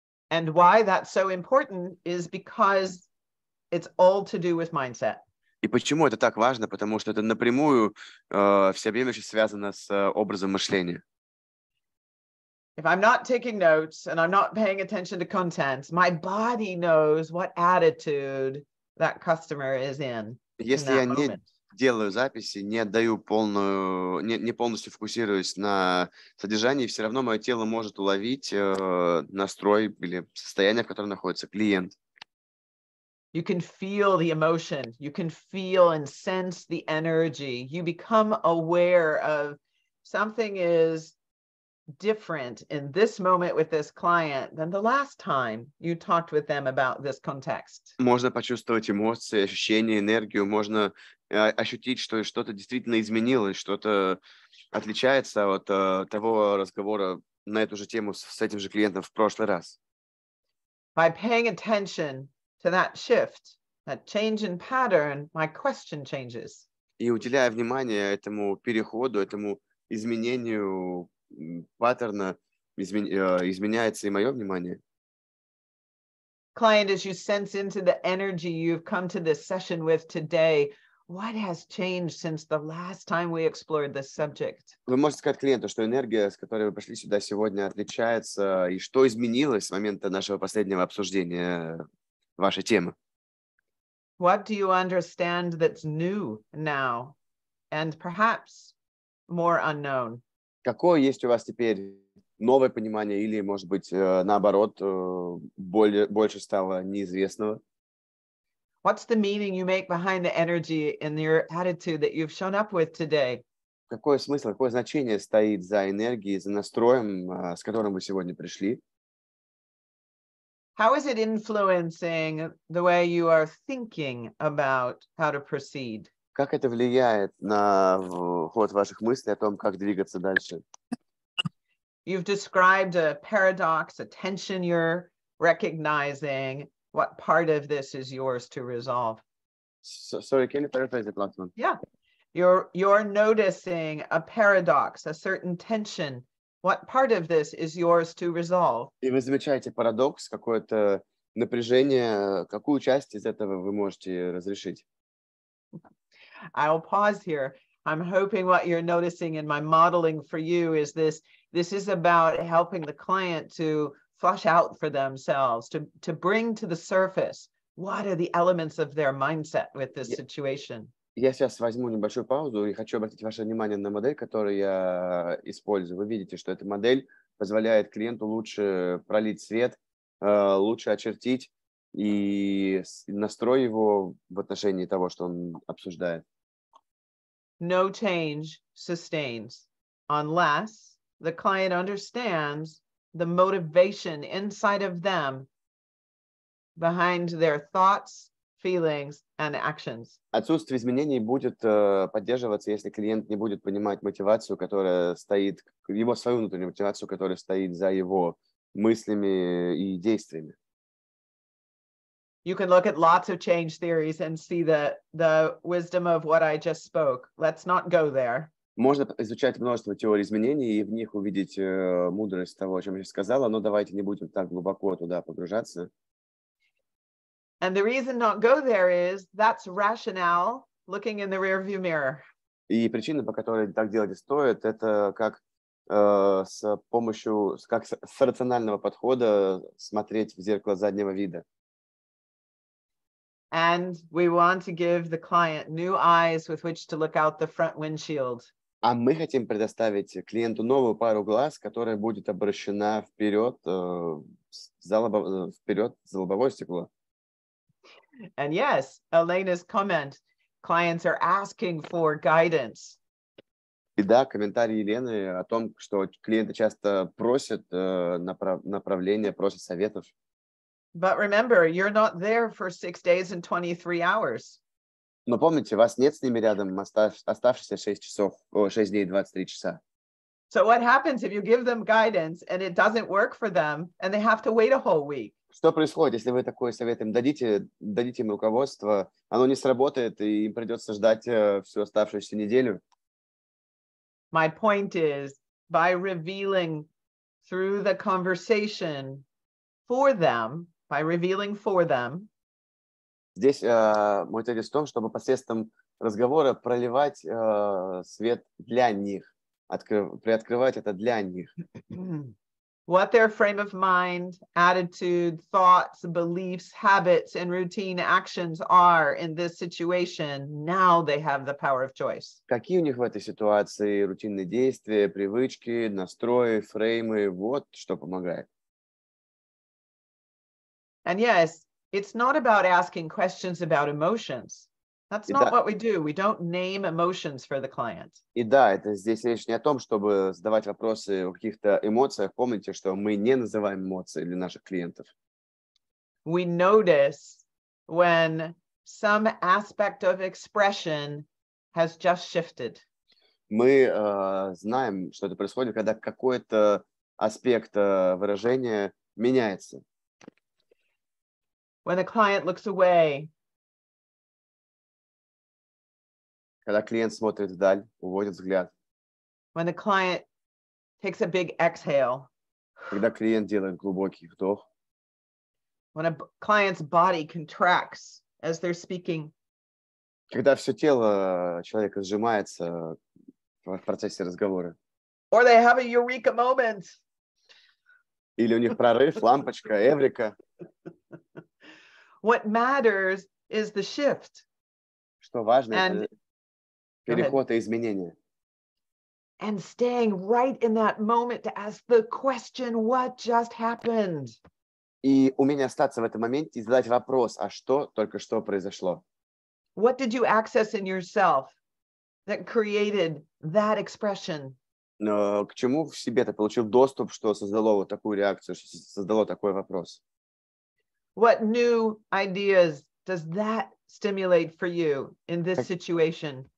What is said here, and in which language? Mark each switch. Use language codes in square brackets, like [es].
[en] And why that's so important is because it's all to do with mindset. [ru] И почему это так важно? Потому что это напрямую всеобъемлюще связано с образом мышления. [en] If I'm not taking notes and I'm not paying attention to contents, my body knows what attitude that customer is in. [ru] Если я не делаю записи, не отдаю не полностью фокусируюсь на содержании, все равно мое тело может уловить настрой или состояние, в котором находится клиент. [en] You can feel the emotion, you can feel and sense the energy. You become aware of something is different in this moment with this client than the last time you talked with them about this context. [ru] Можно почувствовать эмоции, ощущения, энергию, можно ощутить, что что-то действительно изменилось, что-то отличается от того разговора на эту же тему с этим же клиентом в прошлый раз. [en] By paying attention to that shift, that change in pattern, my question changes. [ru] И уделяя внимание этому переходу, этому изменению паттерна, изменяется и мое внимание. [en] Client, as you sense into the energy you've come to this session with today, what has changed since the last time we explored this subject? [ru] Вы можете сказать клиенту, что энергия, с которой вы пришли сюда сегодня, отличается, и что изменилось с момента нашего последнего обсуждения вашей темы? [en] What do you understand that's new now and perhaps more unknown? [ru] Какое есть у вас теперь новое понимание или, может быть, наоборот, больше стало неизвестного? [en] What's the meaning you make behind the energy in your attitude that you've shown up with today? [ru] Какой смысл, какое значение стоит за энергией, за настроем, с которым вы сегодня пришли? [en] How is it influencing the way you are thinking about how to proceed? [ru] Как это влияет на ход ваших мыслей о том, как двигаться дальше? [en] You've described a paradox, a tension you're recognizing. What part of this is yours to resolve? Sorry, can you paraphrase it last one? Yeah. You're noticing a paradox, a certain tension. What part of this is yours to resolve? [ru] И вы замечаете парадокс, какое-то напряжение. Какую часть из этого вы можете разрешить? [en] I'll pause here. I'm hoping what you're noticing in my modeling for you is this is about helping the client to flush out for themselves, to bring to the surface what are the elements of their mindset with this situation. [ru] Я сейчас возьму небольшую паузу и хочу обратить ваше внимание на модель, которую я использую. Вы видите, что эта модель позволяет клиенту лучше пролить свет, лучше очертить и настрой его в отношении того, что он обсуждает. [en] No change sustains unless the client understands the motivation inside of them behind their thoughts, feelings, and actions. [ru] Отсутствие изменений будет поддерживаться, если клиент не будет понимать мотивацию, которая стоит, его свою внутреннюю мотивацию, которая стоит за его мыслями и действиями. [en] You can look at lots of change theories and see the wisdom of what I just spoke. Let's not go there. [ru] Можно изучать множество теорий изменений и в них увидеть мудрость того, о чем я сейчас сказала, но давайте не будем так глубоко туда погружаться. [en] And the reason not go there is that's rationale looking in the rearview mirror. [ru] И причина, по которой так делать стоит, это как с помощью, как с рационального подхода смотреть в зеркало заднего вида. [en] And we want to give the client new eyes with which to look out the front windshield. [ru] А мы хотим предоставить клиенту новую пару глаз, которая будет обращена вперед за лобовое стекло. [en] And yes, Elena's comment, clients are asking for guidance. [ru] И да, комментарий Елены о том, что клиенты часто просят направления, просят советов. [en] But remember, you're not there for 6 days and 23 hours. [ru] Но помните, вас нет с ними рядом оставшиеся 6 дней и 23 часа. [en] So what happens if you give them guidance and it doesn't work for them and they have to wait a whole week? [ru] Что происходит, если вы такой совет им дадите им руководство, оно не сработает и им придется ждать всю оставшуюся неделю? [en] My point is, by revealing through the conversation for them, by revealing for them. [ru] Здесь мой тезис в том, чтобы посредством разговора проливать свет для них, приоткрывать это для них. [en] What their frame of mind, attitude, thoughts, beliefs, habits, and routine actions are in this situation, now they have the power of choice. [ru] Какие у них в этой ситуации рутинные действия, привычки, настрои, фреймы, вот что помогает. [en] And yes, it's not about asking questions about emotions. That's not what we do. We don't name emotions for the client. [ru] И да, это здесь речь не о том, чтобы задавать вопросы о каких-то эмоциях. Помните, что мы не называем эмоции для наших клиентов. [en] We notice when some aspect of expression has just shifted. [ru] Мы знаем, что это происходит, когда какой-то аспект выражения меняется. [en] When a client looks away. [ru] Когда клиент смотрит вдаль, уводит взгляд. [en] When the client takes a big exhale. [ru] Когда клиент делает глубокий вдох. [en] When a client's body contracts as they're speaking. [ru] Когда все тело человека сжимается в процессе разговора. [en] Or they have a eureka moment. [ru] Или у них прорыв, лампочка, эврика. [en] What matters is the shift. [ru] Что важно, это переход и изменения. [en] And staying right in that moment to ask the question, what just happened? [ru] И умение остаться в этом моменте и задать вопрос, а что только что произошло? [en] What did you access in yourself that created that expression? [ru] Но к чему в себе ты получил доступ, что создало вот такую реакцию, что создало такой вопрос? [en] What new ideas does that stimulate for you in this situation?